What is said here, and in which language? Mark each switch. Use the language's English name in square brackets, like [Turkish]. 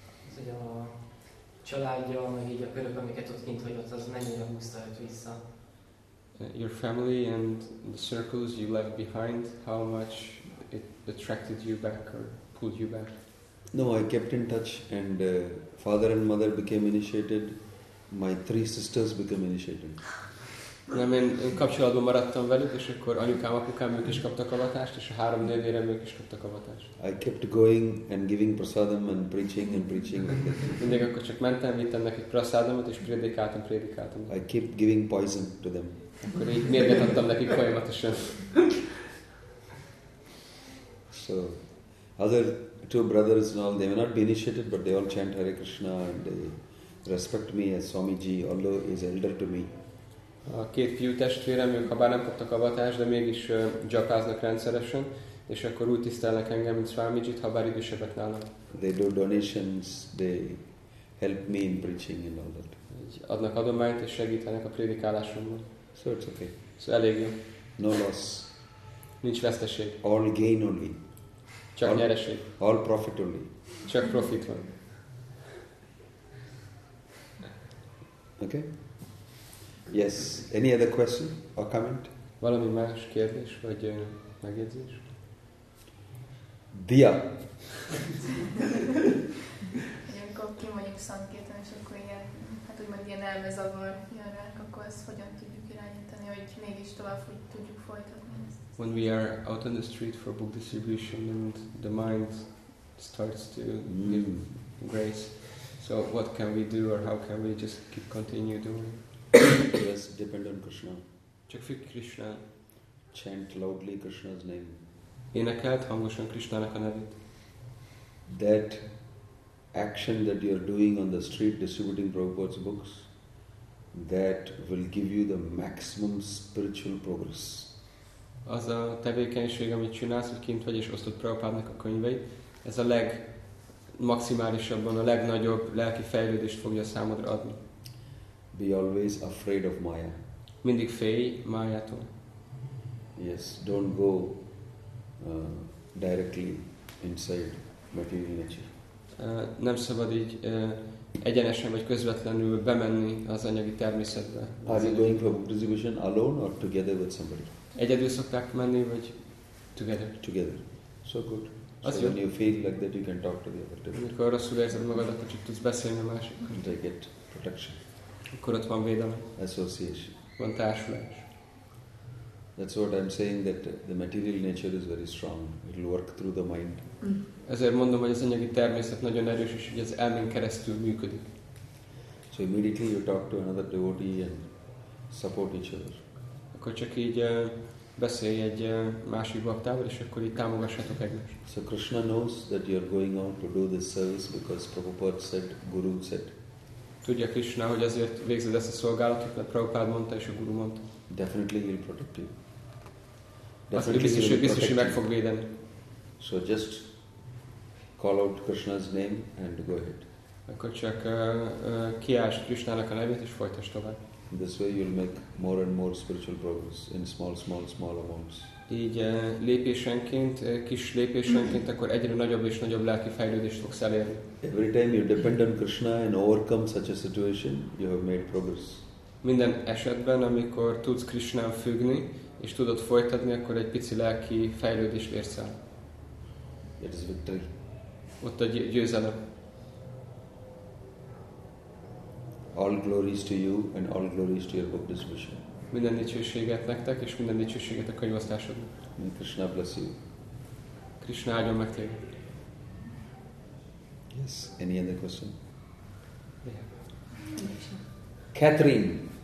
[Hungarian] Az, hogy a családja, meg így a körök, amiket ott kint hagyott, az mennyire húzta őt vissza? [English] Your family and the circles you left behind, how much it attracted you back or pulled you back? No, I kept in touch, and father and mother became initiated. My three sisters became initiated. [Hungarian] Nem, én kapcsolatban maradtam velük, és akkor anyukám, apukám, ők is kaptak avatást, és a három nővérem, ők is kaptak avatást. [English] I kept going and giving prasadam and preaching and preaching. [Hungarian] Mindig akkor csak mentem, vittem nekik prasadamot, és prédikáltam, prédikáltam. [English] I kept giving poison to them. [Hungarian] Akkor így mérget adtam nekik folyamatosan. [English] So, other two brothers and all, they were not be initiated, but they all chant Hare Krishna and they respect me as Swamiji, although he is elder to me. [Hungarian] A két fiú testvérem, ők habár nem kaptak avatást, de mégis japáznak rendszeresen, és akkor úgy tisztelnek engem, mint Swamijit, habár idősebbek nálam. [English] They do donations, they help me in preaching and all that. [Hungarian] Adnak adományt és segítenek a prédikálásomban. [English] So it's okay. [Hungarian] So elég jó. [English] No loss. [Hungarian] Nincs veszteség. [English] All gain only. [Hungarian] Csak nyereség. [English] All profit only. [Hungarian] Csak profit van. [English] Okay. Yes. Any other question or comment? [Hungarian] Valami más kérdés vagy megjegyzés? Dia. Igen, akkor kimondjuk szankirtan, és akkor ilyen, hát úgymond ilyen elmezavar jön rá, akkor ezt hogyan tudjuk irányítani, hogy mégis tovább tudjuk folytatni ezt? [English] When we are out on the street for book distribution and the mind starts to give grace, so what can we do or how can we just keep continue doing? Yes, depend on Krishna. [Hungarian] Csak függ Krishna. [English] Chant loudly Krishna's name. [Hungarian] Énekelt hangosan Krishna-nak a nevét. [English] That action that you are doing on the street distributing Prabhupada's books, that will give you the maximum spiritual progress. [Hungarian] Az a tevékenység, amit csinálsz, hogy kint vagy és osztod Prabhupádnak a könyveit, ez a legmaximálisabban, a legnagyobb lelki fejlődést fogja számodra adni. [English] Be always afraid of Maya. [Hungarian] Mindig félj Mayától. [English] Yes, don't go directly inside material nature. [Hungarian] Nem szabad így egyenesen vagy közvetlenül bemenni az anyagi természetbe. [English] Are you going for distribution alone or together with somebody? [Hungarian] Egyedül szokták menni, vagy [English] together? Together. So good. [Hungarian] Az so jó. [English] When you feel like that, you can talk to the other two. [Hungarian] Amikor rosszul érzed magad, akkor csak tudsz beszélni a másikkal. [English] And they get protection. [Hungarian] Akkor ott van védelem. [English] Association. [Hungarian] Van társulás. [English] That's what I'm saying, that the material nature is very strong. It will work through the mind. [Hungarian] Ezért mondom, hogy az anyagi természet nagyon erős, és hogy az elmén keresztül működik. [English] So immediately you talk to another devotee and support each other. [Hungarian] Akkor csak így beszélj egy másik baktával, és akkor így támogassátok egymást. [English] So Krishna knows that you are going on to do this service because Prabhupada said, Guru said. [Hungarian] Tudja Krishna, hogy azért végzed ezt a szolgálatot, mert Prabhupada mondta és a Guru mondta. [English] Definitely he'll protect you. [Hungarian] Biztos, hogy meg fog védeni. [English] So just call out Krishna's name and go ahead. [Hungarian] Akkor csak kiásd Krishna-nak a nevét és folytasd tovább. [English] This way you'll make more and more spiritual progress in small, small, small amounts. [Hungarian] Így lépésenként, kis lépésenként, akkor egyre nagyobb és nagyobb lelki fejlődést fogsz elérni. [English] Every time you depend on Krishna and overcome such a situation, you have made progress. [Hungarian] Minden esetben, amikor tudsz Krishnán függni, és tudod folytatni, akkor egy pici lelki fejlődést érsz el. [English] There's victory. [Hungarian] Ott a győzelem. [English] All glories to you and all glories to your book distribution. [Hungarian] Minden dicsőséget nektek és minden dicsőséget a könyvosztásodnak. [English] May Krishna bless you. [Hungarian] Krishna áldjon meg téged. [English] Yes, any other question? Yeah. Catherine.